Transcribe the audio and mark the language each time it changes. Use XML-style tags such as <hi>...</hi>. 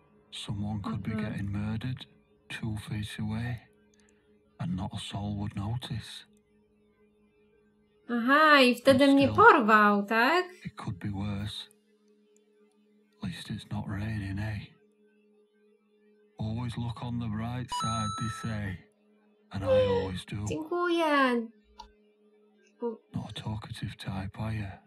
<en>Someone could be getting murdered, two feet away. And not a soul would notice.</en> <pl>Aha, i wtedy mnie porwał, tak?</pl> <en>It could be worse. least it's not raining, eh? Always look on the bright side, they say. And I always do.</en> <pl>Dziękuję.</pl> <en>Not a talkative type, are you?</en>